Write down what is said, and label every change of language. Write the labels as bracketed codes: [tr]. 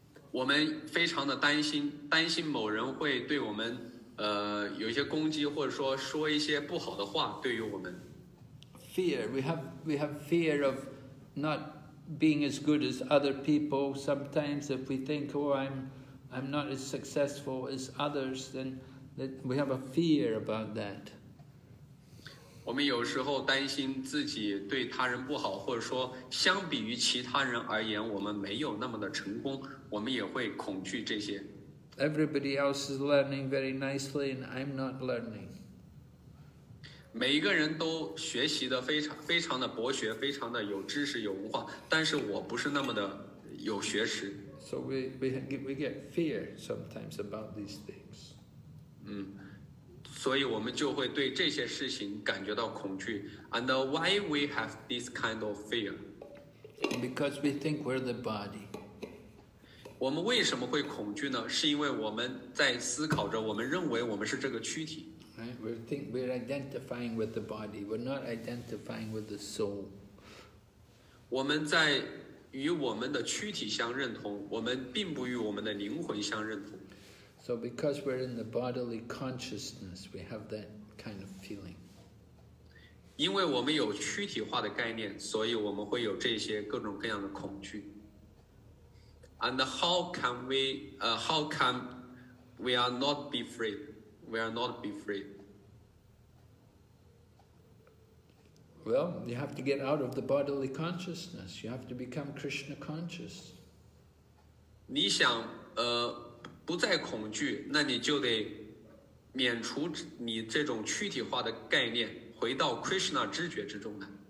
[zh] 我们非常的担心，担心某人会对我们，有一些攻击，或者说说一些不好的话，对于我们。 [en] Fear. We have fear of not being as good as other people. Sometimes if we think, oh, I'm not as successful as others, then that we have a fear about that. [zh] 我们有时候担心自己对他人不好，或者说相比于其他人而言，我们没有那么的成功，我们也会恐惧这些。 [en] Everybody else is learning very nicely and I'm not learning. [zh] 每一个人都学习的非常非常的博学，非常的有知识有文化，但是我不是那么的有学识。 [en] So we get fear sometimes about these things. [zh] 所以我们就会对这些事情感觉到恐惧。 [en] And why we have this kind of fear? Because we think we're the body. [zh] 我们为什么会恐惧呢？是因为我们在思考着，我们认为我们是这个躯体。 [en] Right? We're identifying with the body. We're not identifying with the soul. [zh] 我们在与我们的躯体相认同，我们并不与我们的灵魂相认同。 [en] So because we're in the bodily consciousness, we have that kind of feeling. [zh] 因为我们有躯体化的概念，所以我们会有这些各种各样的恐惧。 [en] And how can we, how come we are not be free? We are not be free. Well, you have to get out of the bodily consciousness. You have to become Krishna conscious. [zh] 你想，不再恐惧，那你就得免除你这种躯体化的概念，回到 Krishna 知觉之中来。